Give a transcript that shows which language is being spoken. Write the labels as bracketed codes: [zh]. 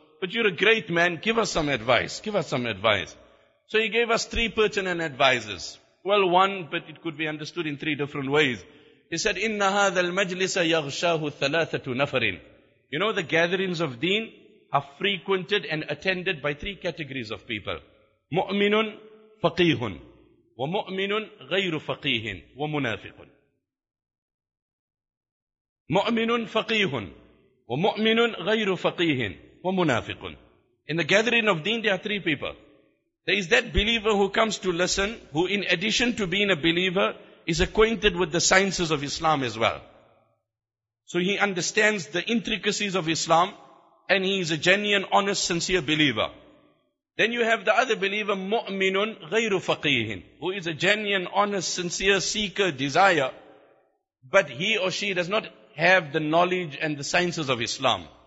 [en] But you're a great man. Give us some advice. Give us some advice. So he gave us three pertinent advices. Well, one, but it could be understood in three different ways. He said, [ar] إِنَّ هَذَا الْمَجْلِسَ يَغْشَاهُ ثَلَاثَةُ نَفَرٍ [en] You know, the gatherings of deen are frequented and attended by three categories of people. [ar] مُؤْمِنٌ فَقِيهٌ وَمُؤْمِنٌ غَيْرُ فَقِيهٍ وَمُنَافِقٌ مُؤْمِنٌ فَقِيهٌ وَمُؤْمِنٌ غَيْرُ فَقِيهٍ وَمُنَافِقٌ [en] In the gathering of deen, there are three people. There is that believer who comes to listen, who in addition to being a believer, is acquainted with the sciences of Islam as well. So he understands the intricacies of Islam, and he is a genuine, honest, sincere believer. Then you have the other believer, [ar] مُؤْمِنٌ غَيْرُ فَقِيهٍ [en] Who is a genuine, honest, sincere seeker, desire, but he or she does not have the knowledge and the sciences of Islam.